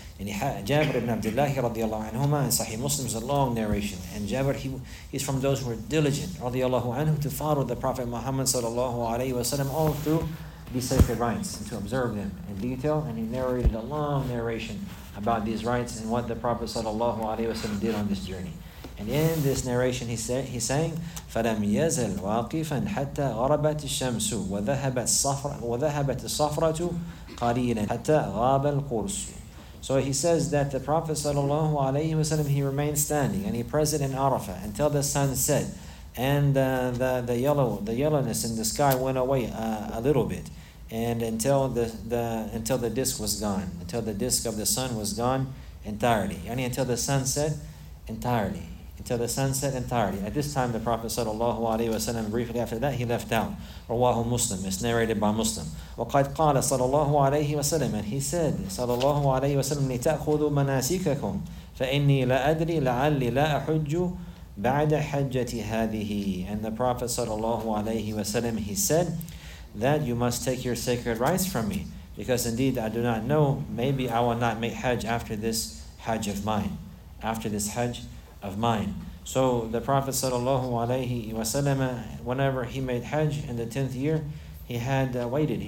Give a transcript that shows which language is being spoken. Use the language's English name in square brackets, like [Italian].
[English] And Jabir ibn Abdullah radiallahu anhuma in Sahih Muslim is a long narration. And Jabir, he's from those who are diligent radiallahu anhu to follow the Prophet Muhammad sallallahu alayhi wa sallam all through these sacred rites and to observe them in detail. And he narrated a long narration about these rites and what the Prophet sallallahu alayhi wa sallam did on this journey. And in this narration, he's saying, [Arabic] فَلَمْ يَزَلْ وَاقِفًا حَتَّى غَرَبَتِ الشَّمْسُ وَذَهَبَتِ الصَّفْرَةُ قَلِيلًا حَتَّى غَابَ الْقُرْسُ. [English] So he says that the Prophet sallallahu alayhi wa sallam, he remained standing and he present in Arafah until the sun set and the yellowness in the sky went away a little bit, and until the disk was gone, until the disk of the sun was gone entirely, yani until the sun set entirely. Until the sun set entirely. At this time, the Prophet sallallahu alaihi wasallam, briefly after that, he left town. Rawahu Muslim. It's narrated by Muslim. [Arabic] وَقَدْ قَالَ sallallahu alaihi wasallam, [English] and he said, [Arabic] sallallahu alaihi wasallam, لِتَأْخُذُوا مَنَاسِكَكُمْ فَإِنِّي لَأَدْرِي لَعَلِّي لَا أَحُجُّ بَعْدَ حَجَّةِ هَذِهِ. [English] And the Prophet sallallahu alaihi wasallam, he said, that you must take your sacred rites from me, because indeed I do not know, maybe I will not make hajj after this hajj of mine. After this hajj of mine. So the Prophet sallallahu alayhi wa sallam, whenever he made hajj in the 10th year, he had waited.